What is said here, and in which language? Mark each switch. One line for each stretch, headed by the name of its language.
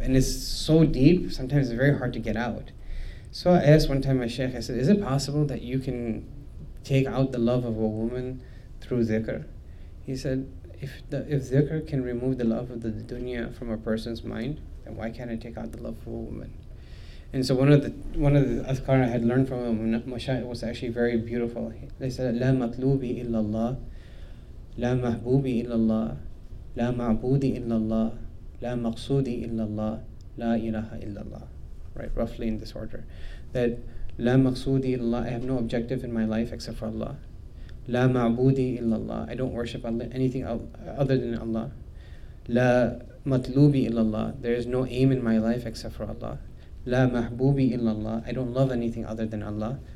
English: And it's so deep, sometimes it's very hard to get out. So I asked one time my sheikh, I said, is it possible that you can take out the love of a woman through dhikr? He said, if dhikr can remove the love of the dunya from a person's mind, why can't I take out the love for a woman? And so one of the azkar I had learned from him, Masha'i, was actually very beautiful. They said,
Arabic: لا مطلوبي إلا الله لا محبوبي إلا الله لا معبودي إلا الله لا مقصودي إلا الله لا إله إلا الله.
English: Right, roughly in this order. That
Arabic: لا مقصودي إلا الله.
English: I have no objective in my life except for Allah.
Arabic: لا معبودي إلا الله.
English: I don't worship anything other than Allah.
Arabic: لا مطلوبي إلا الله.
English: There is no aim in my life except for Allah.
Arabic: لا محبوبي إلا الله.
English: I don't love anything other than Allah.